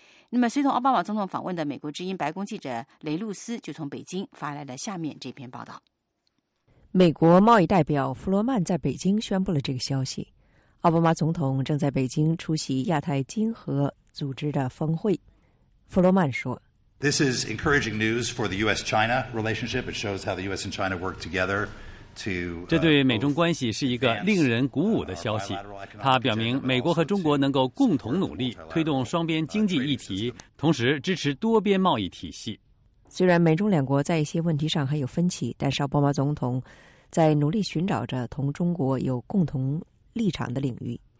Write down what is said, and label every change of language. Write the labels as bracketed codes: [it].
[zh] 那么随同奥巴马总统访问的美国之音白宫记者雷露斯就从北京发来了下面这篇报道。美国贸易代表弗罗曼在北京宣布了这个消息，奥巴马总统正在北京出席亚太经合组织的峰会。弗罗曼说， [en] This is encouraging news for the U.S.-China relationship. It shows how the U.S. and China work together to. [zh] 这对美中关系是一个令人鼓舞的消息。它表明美国和中国能够共同努力，推动双边经济议题，同时支持多边贸易体系。虽然美中两国在一些问题上还有分歧，但是奥巴马总统在努力寻找着同中国有共同立场的领域。